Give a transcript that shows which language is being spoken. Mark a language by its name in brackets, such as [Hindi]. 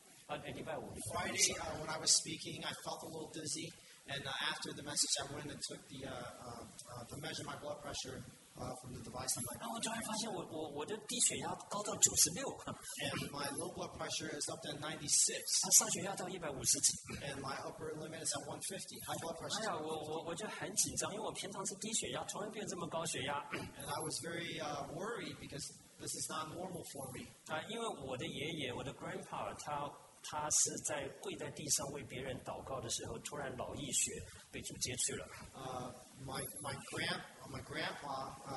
[English] Friday, when I was speaking, I felt a little dizzy, and after the message, I went and took to measure my blood pressure from the device. And my low blood pressure is up to 96. And my upper limit is at 150. High blood pressure. [Chinese] 哎呀，我就很紧张，因为我平常是低血压，突然变这么高血压。 [English] And I was very worried because this is not normal for me. [Chinese] 因为我的爷爷，我的 grandpa, 他 他是在跪在地上为别人祷告的时候，突然脑溢血，被主接去了。 [English] My grandpa,